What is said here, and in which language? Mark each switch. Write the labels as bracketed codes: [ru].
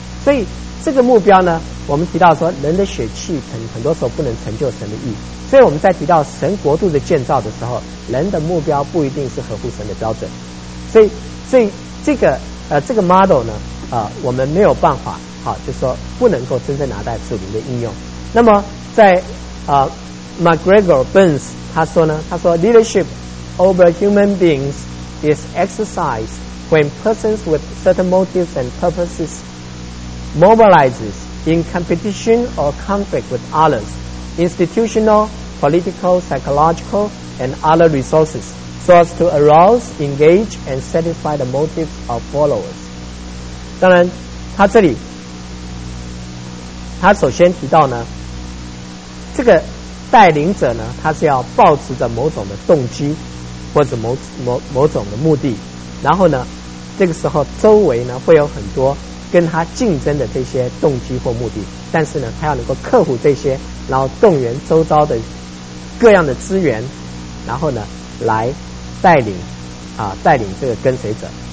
[zh] 所以这个目标呢，我们提到说人的血气很多时候不能成就神的意，所以我们在提到神国度的建造的时候，人的目标不一定是合乎神的标准。所以这个 model 呢，我们没有办法就说不能够真正拿在属灵的应用。那么在 [en] MacGregor Burns [zh] 他说 [en] leadership over human beings is exercised when persons with certain motives and purposesmobilizes in competition or conflict with others, institutional, political, psychological, and other resources, so as to arouse, engage, and satisfy the motives of followers. [zh] 当然，他首先提到呢，这个带领者呢，他是要抱持着某种的动机，或者某种的目的，然后呢，这个时候周围呢会有很多跟他竞争的这些动机或目的，但是呢，他要能够克服这些，然后动员周遭的各样的资源，然后呢，来带领这个跟随者。